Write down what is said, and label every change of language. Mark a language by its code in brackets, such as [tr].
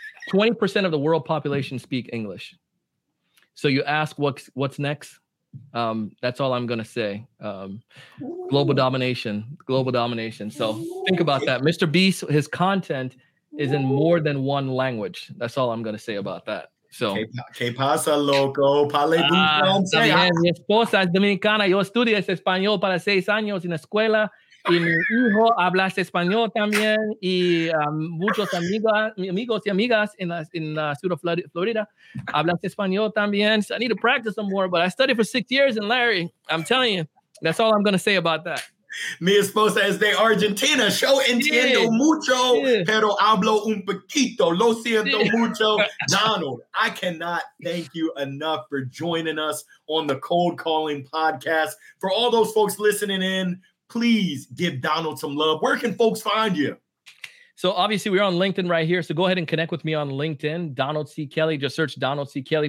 [en] 20% of the world population speak English. So you ask what's next? That's all I'm going to say. Global domination. So think about that. Mr. Beast, his content is in more than one language. That's all I'm going to say about that. So, [es] que pasa, loco? Mi esposa es dominicana. Yo estudié español para 6 años en la escuela. Y mi hijo habla español también. Y muchos amigos y amigas [en] in the [es] sur of Florida hablan español también. [en] So I need to practice some more, but I studied for 6 years. And Larry, I'm telling you, that's all I'm going to say about that. [es] Mi esposa es de Argentina. Yo entiendo mucho, pero hablo un poquito. Lo siento mucho. [en] Donald, I cannot thank you enough for joining us on the Cold Calling Podcast. For all those folks listening in, please give Donald some love. Where can folks find you? So obviously we're on LinkedIn right here. So go ahead and connect with me on LinkedIn, Donald C. Kelly. Just search Donald C. Kelly.